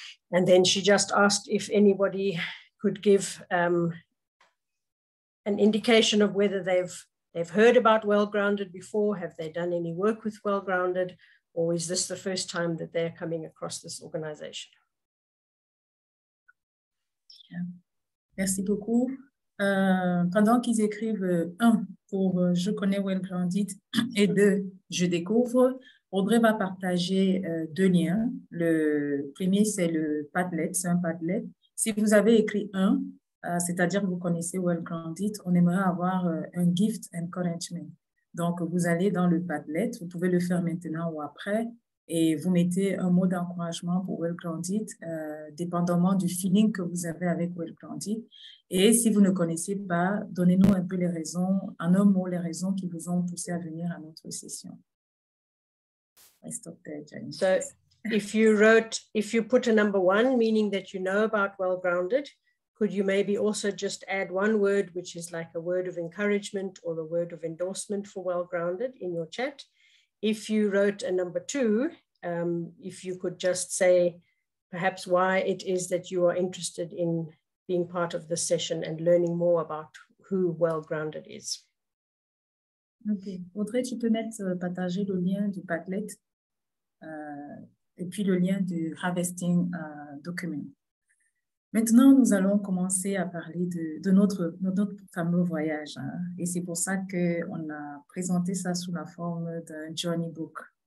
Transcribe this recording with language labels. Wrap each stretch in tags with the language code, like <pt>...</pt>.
<en>And then she just asked if anybody could give an indication of whether they've heard about Well-Grounded before, have they done any work with Well-Grounded, or is this the first time that they're coming across this organization?</en> <fr>Yeah. Merci beaucoup. Pendant qu'ils écrivent un pour je connais Well-Grounded et deux je découvre, Audrey va partager deux liens. Le premier, c'est le Padlet, c'est un Padlet. Si vous avez écrit un, c'est-à-dire que vous connaissez Well Grounded, on aimerait avoir un gift encouragement. Donc, vous allez dans le Padlet, vous pouvez le faire maintenant ou après, et vous mettez un mot d'encouragement pour Well Grounded, dépendamment du feeling que vous avez avec Well Grounded. Et si vous ne connaissez pas, donnez-nous un peu les raisons, en un mot, les raisons qui vous ont poussé à venir à notre session.</fr> <en>I stop there, Janice. So, if you put a number one, meaning that you know about Well Grounded, could you maybe also just add one word, which is like a word of encouragement or a word of endorsement for Well Grounded in your chat? If you wrote a number two, if you could just say perhaps why it is that you are interested in being part of the session and learning more about who Well Grounded is. Okay.</en> <fr>Audrey, tu peux mettre partager le lien du Padlet et puis le lien du Harvesting document. Maintenant, nous allons commencer à parler de notre fameux voyage. Hein. Et c'est pour ça qu'on a présenté ça sous la forme d'un journey book.</fr>